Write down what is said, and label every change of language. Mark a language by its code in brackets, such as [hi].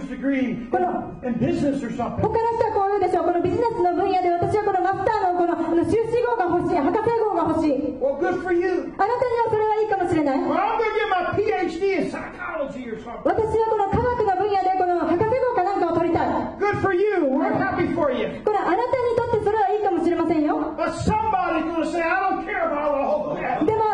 [ja] 他の人はこう言うでしょう。このビジネスの分野で私はこのマスターのこの修士号が欲しい、博士号が欲しい。 [en] Well, good for you. [ja] あなたにはそれはいいかもしれない。 [en] But I'm gonna get my PhD in psychology or something. [ja] 私はこの科学の分野でこの博士号かなんかを取りたい。 [en] Good for you. We're happy for you. [ja] これあなたにとってそれはいいかもしれませんよ。 [en] But somebody's gonna say, I don't care about all of that.